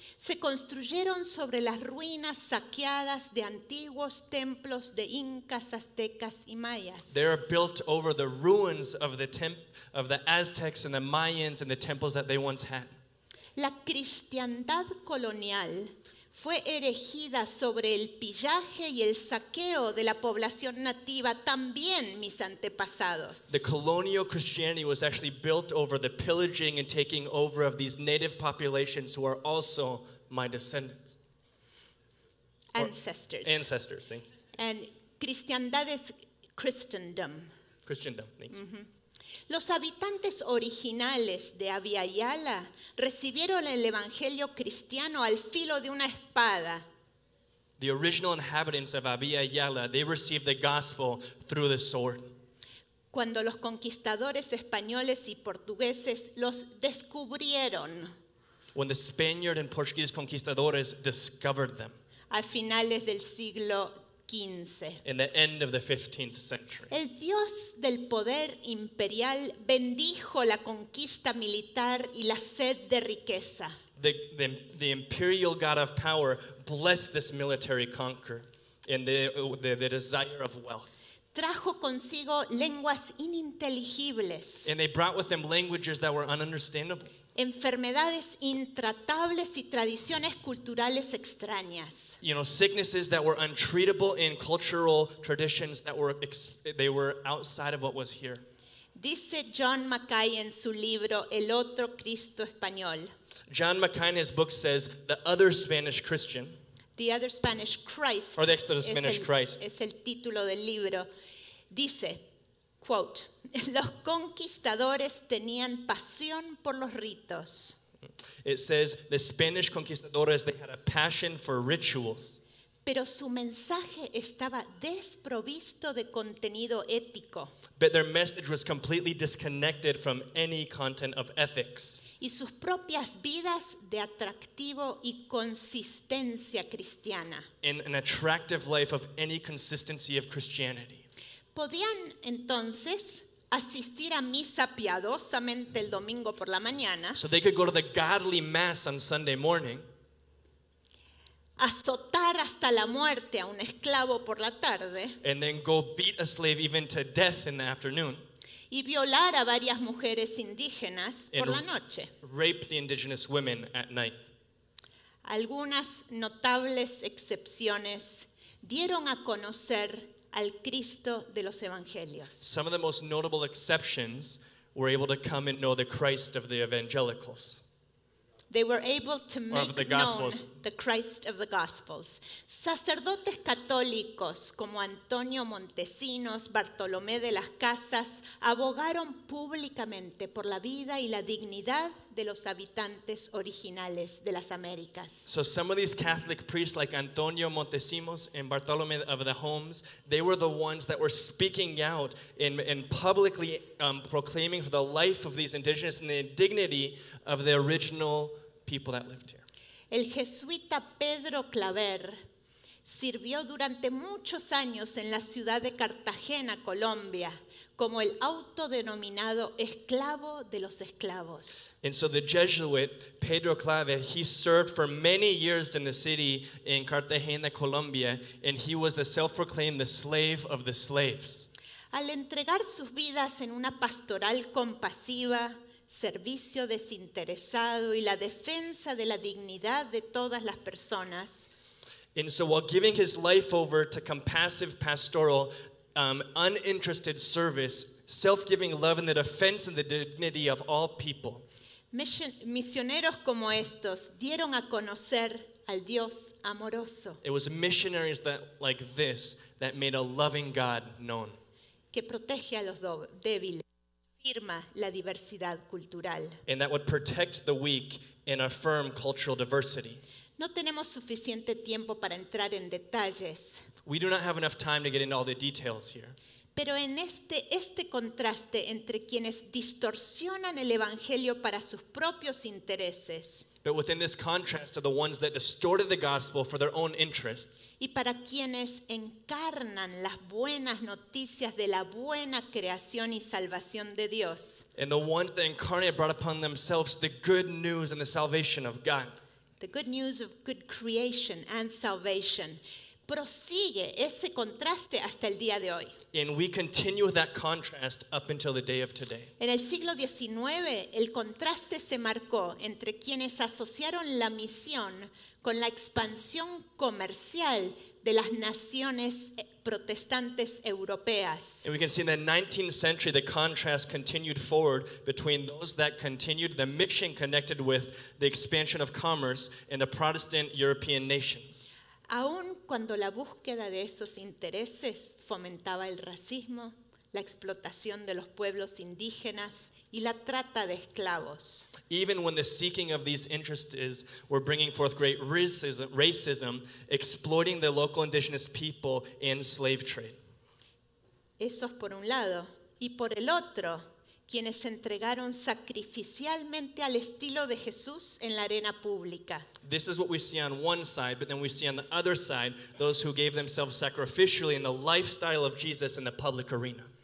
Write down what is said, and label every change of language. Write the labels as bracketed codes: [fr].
[es] Se construyeron sobre las ruinas saqueadas de antiguos templos de incas, aztecas y mayas. [en] They are built over the ruins of the Aztecs and the Mayans and the temples that they once had. [es] La cristiandad colonial fue erigida sobre el pillaje y el saqueo de la población nativa, también mis antepasados. [en] The colonial Christianity was actually built over the pillaging and taking over of these native populations who are also my descendants. Ancestors. Or ancestors, thank you. And cristiandad is Christendom. Christendom, thank you. Mm-hmm. [es] Los habitantes originales de Ayala recibieron el evangelio cristiano al filo de una espada. [en] The original inhabitants of Abya Yala, they received the gospel through the sword. [es] Cuando los conquistadores españoles y portugueses los descubrieron. [en] When the Spaniard and Portuguese conquistadores discovered them. [es] A finales del siglo 15. [en] In the end of the 15th century. [es] El dios del poder imperial bendijo la conquista militar y la sed de riqueza. [en] The imperial god of power blessed this military conquer and the desire of wealth. [es] Trajo consigo lenguas ininteligibles. [en] And they brought with them languages that were ununderstandable. [es] Enfermedades intratables y tradiciones culturales extrañas. [en] You know, sicknesses that were untreatable in cultural traditions that were they were outside of what was here. [es] Dice John Mackay en su libro El Otro Cristo Español. [en] John Mackay in his book says The Other Spanish Christian. The Other Spanish Christ. Or the Extra Spanish Christ. [es] Es el título del libro. Dice, quote, los conquistadores tenían pasión por los ritos. [en] It says the Spanish conquistadores they had a passion for rituals. [es] Pero su mensaje estaba desprovisto de contenido ético. [en] But their message was completely disconnected from any content of ethics. [es] Y sus propias vidas de atractivo y consistencia cristiana. [en] In an attractive life of any consistency of Christianity. [es] Podían entonces asistir a misa piadosamente el domingo por la mañana. [en] So they could go to the godly mass on Sunday morning. [es] Azotar hasta la muerte a un esclavo por la tarde. [en] And then go beat a slave even to death in the afternoon. [es] Y violar a varias mujeres indígenas por la noche. [en] Rape the indigenous women at night. [es] Algunas notables excepciones dieron a conocer al Cristo de los evangelios. [en] Some of the most notable exceptions were able to come and know the Christ of the evangelicals. They were able to make known the Christ of the Gospels. [es] Sacerdotes católicos como Antonio Montesinos, Bartolomé de las Casas, abogaron públicamente por la vida y la dignidad de los habitantes originales de las Américas. [en] So some of these Catholic priests like Antonio Montesinos and Bartolomé of the Homes, they were the ones that were speaking out and publicly proclaiming for the life of these indigenous and the dignity of the original people that lived here. [es] El jesuita Pedro Claver sirvió durante muchos años en la ciudad de Cartagena, Colombia, como el autodenominado esclavo de los esclavos. [en] And so the Jesuit Pedro Claver, he served for many years in the city in Cartagena, Colombia, and he was the self-proclaimed the slave of the slaves. [es] Al entregar sus vidas en una pastoral compasiva, servicio desinteresado y la defensa de la dignidad de todas las personas. [en] And so while giving his life over to compassive pastoral, uninterested service, self-giving love and the defense and the dignity of all people. [es] Misioneros como estos dieron a conocer al Dios amoroso. [en] It was missionaries that, like this that made a loving God known. [es] Que protege a los débiles. La diversidad cultural. [en] And that would protect the weak and affirm cultural diversity. [es] No tenemos suficiente tiempo para entrar en detalles. [en] We do not have enough time to get into all the details here. [es] Pero en este contraste entre quienes distorsionan el evangelio para sus propios intereses. [en] But within this contrast are the ones that distorted the gospel for their own interests. [es] Y para quienes encarnan las buenas noticias de la buena creación y salvación de Dios. [en] And the ones that incarnate brought upon themselves the good news and the salvation of God. The good news of good creation and salvation. [es] Prosigue ese contraste hasta el día de hoy. [en] And we continue that contrast up until the day of today. [es] En el siglo XIX, el contraste se marcó entre quienes asociaron la misión con la expansión comercial de las naciones protestantes europeas. [en] And we can see in the 19th century, the contrast continued forward between those that continued the mission connected with the expansion of commerce and the Protestant European nations. [es] Aun cuando la búsqueda de esos intereses fomentaba el racismo, la explotación de los pueblos indígenas y la trata de esclavos. [en] Even when the seeking of these interests were bringing forth great racism, exploiting the local indigenous people in slave trade. [es] Eso es por un lado. Y por el otro, quienes se entregaron sacrificialmente al estilo de Jesús en la arena pública. [en] This is what we see on one side, but then we see on the other side those who gave themselves sacrificially in the lifestyle of Jesus in the public arena.